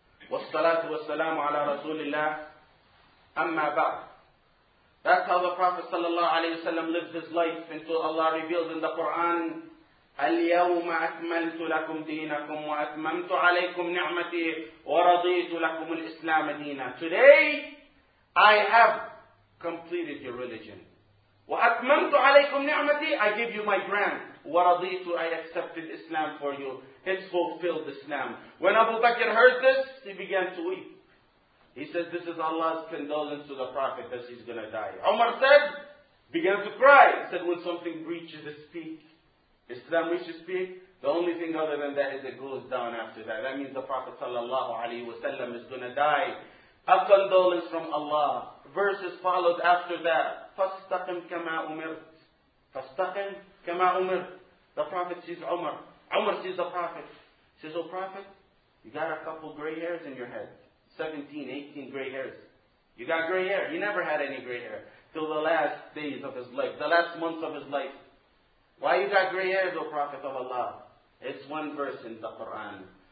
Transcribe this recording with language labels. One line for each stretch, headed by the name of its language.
Arabic: والصلاة والسلام على رسول الله أما بعد.
English: That's how the Prophet
Arabic: صلى الله عليه وسلم
English: lived his life until Allah reveals in the Quran,
Arabic: اليوم أكملت لكم دينكم وأتممت عليكم نعمتي ورضيت لكم الإسلام دينا.
English: Today I have completed your religion.
Arabic: وأتممت عليكم نعمتي.
English: I give you my grant.
Arabic: ورضيت.
English: I accepted Islam for you. It's fulfilled Islam. When Abu Bakr heard this, he began to weep. He said, this is Allah's condolence to the Prophet that he's going to die. Umar said, began to cry. He said, when something reaches its peak, Islam reaches peak, The only thing other than that is it goes down after that. That means the Prophet sallallahu alaihi wasallam is going to die. A condolence from Allah. Verses followed after that.
Arabic: فَاسْتَقِمْ كَمَا أُمِرْتِ فَاسْتَقِمْ كَمَا أُمِرْتِ
English: The Prophet sees Umar. Umar sees the Prophet. Says, oh Prophet, you got a couple gray hairs in your head. 17, 18 gray hairs. You got gray hair. He never had any gray hair. Till the last days of his life. The last months of his life. Why you got gray hairs, O Prophet of Allah? It's one verse in the Quran.